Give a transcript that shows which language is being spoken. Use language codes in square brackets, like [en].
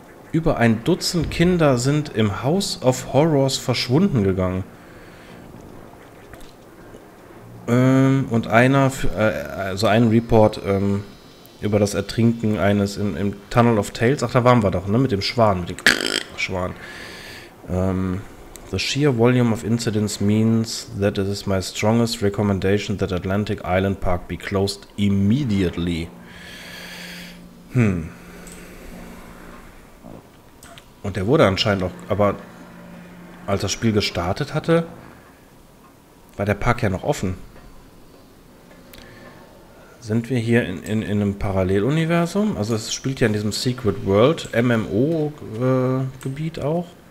[de] Über ein Dutzend Kinder sind im House of Horrors verschwunden gegangen. Und einer, also ein Report über das Ertrinken eines im Tunnel of Tales. Ach, da waren wir doch, ne? Mit dem Schwan, mit dem Schwan. [en] The sheer volume of incidents means that it is my strongest recommendation that Atlantic Island Park be closed immediately. [de] Und der wurde anscheinend auch, aber als das Spiel gestartet hatte, war der Park ja noch offen. Sind wir hier in einem Paralleluniversum? Also es spielt ja in diesem Secret World MMO Gebiet auch.